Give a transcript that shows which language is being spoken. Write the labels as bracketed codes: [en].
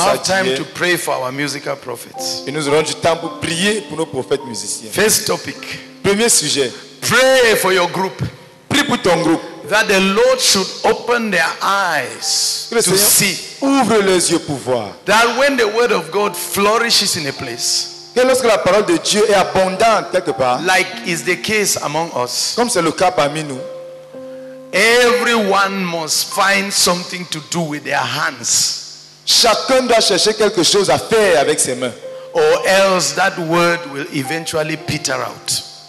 [en] And we have time to pray for our musical prophets. [fr] Et nous aurons du temps pour prier pour nos prophètes musiciens. [en] First topic. [fr] Premier sujet. [en] Pray for your group. [fr] Prie pour ton groupe. [en] That the Lord should open their eyes [fr] le Seigneur, [en] to see. [fr] Ouvre leurs yeux pour voir. [en] That when the word of God flourishes in a place. [fr] Que lorsque la parole de Dieu est abondante quelque part. [en] Like is the case among us. [fr] Comme c'est le cas parmi nous. [en] Everyone must find something to do with their hands. [fr] Chacun doit chercher quelque chose à faire avec ses mains. [en] Or else that word will eventually peter out.